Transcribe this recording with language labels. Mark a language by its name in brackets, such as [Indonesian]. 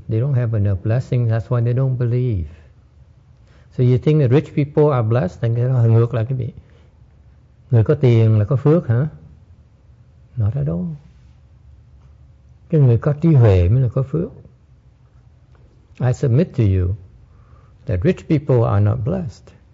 [English] They don't have enough blessings, that's why they don't believe. So you think that rich people are blessed, then [Vietnamese] cái đó là ngược lại cái vị. Người có tiền là có phước hả? Nó ra đâu? Cái người có trí huệ mới là có phước. [English] I submit to you that rich people are not blessed.